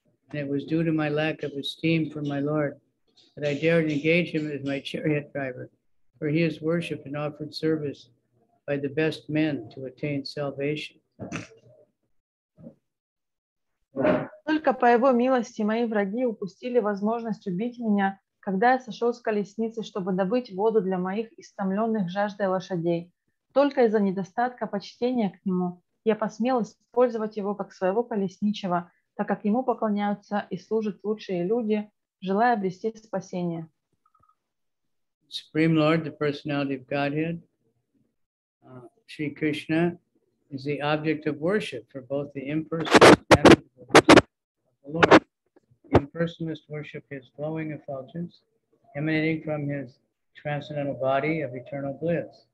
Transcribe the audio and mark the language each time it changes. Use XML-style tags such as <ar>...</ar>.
<en>And it was due to my lack of esteem for my Lord that I dared engage him as my chariot driver, for he is worshipped and offered service by the best men to attain salvation.</en> <ru>Только по его милости мои враги упустили возможность убить меня, когда я сошел с колесницы, чтобы добыть воду для моих истомленных жаждой лошадей. Только из-за недостатка почтения к нему я посмел использовать его как своего колесничего, так как ему поклоняются и служат лучшие люди, желая обрести спасение.</ru> <en>Supreme Lord, the personality of Godhead, Sri Krishna, is the object of worship for both the impersonalist and the worship of the Lord. The impersonalist worship his flowing effulgence, emanating from his transcendental body of eternal bliss.</en>